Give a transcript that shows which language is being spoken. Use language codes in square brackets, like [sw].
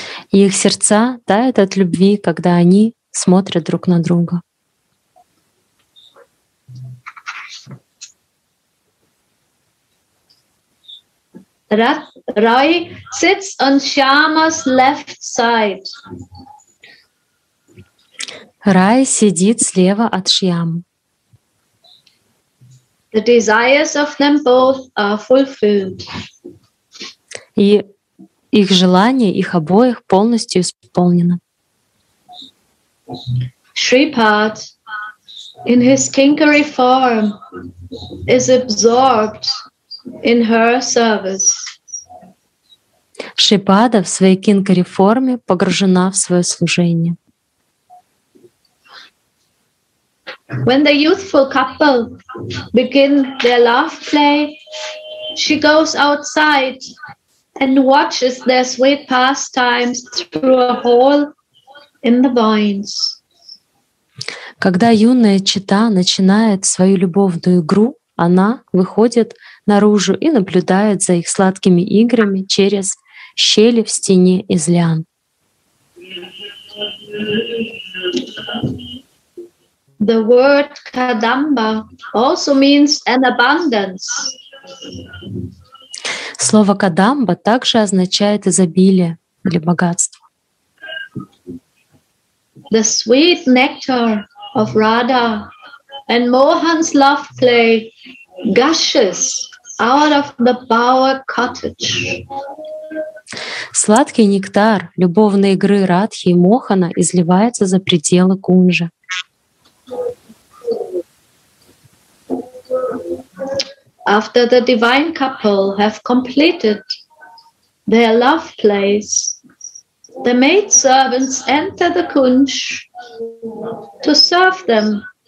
[ru] Их сердца тают от любви, когда они смотрят друг на друга. [en] Rai sits on Shyama's left side. [ru] Rai сидит слева от Шьямы. [en] The desires of them both are fulfilled. [ru] И их желание, их обоих полностью исполнено. [en] Shripad in his kinkari form is absorbed in her service. [ru] Шипада в своей кинкари форме погружена в свое служение. [en] When the youthful couple begin their love play, she goes outside and watches their sweet pastimes through a hole in the vines. [ru] Когда юная чита начинает свою любовную игру, она выходит наружу и наблюдает за их сладкими играми через щели в стене из лиан. [en] The word Kadamba also means an abundance. [ru] Слово Кадамба также означает изобилие или богатство. [en] The sweet nectar of Radha and Mohan's love play gushes out of the bower cottage. [ru] Сладкий нектар любовной игры Радхи и Мохана изливается за пределы Кунжа. [en] After the divine couple have completed their love place, the maid servants enter the Kunj to serve them.